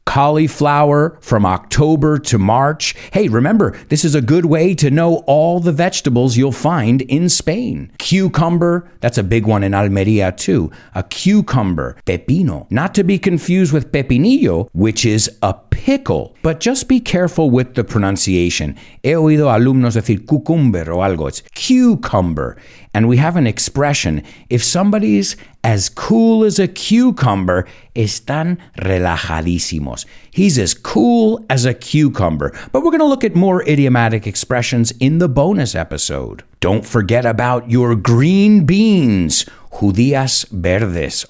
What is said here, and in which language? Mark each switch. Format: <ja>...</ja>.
<en>Cauliflower from October to March. Hey, remember, this is a good way to know all the vegetables you'll find in Spain. Cucumber, that's a big one in Almería too. A cucumber. Pepino, not to be confused with pepinillo, which is a pickle. But just be careful with the pronunciation.</en> <es>He oído alumnos decir cucumber o algo.</es> <en>It's cucumber. And we have an expression. If somebody's as cool as a cucumber,</en> <es>están relajadísimos.</es> <en>He's as cool as a cucumber. But we're going to look at more idiomatic expressions in the bonus episode. Don't forget about your green beans, judías verdes.</en>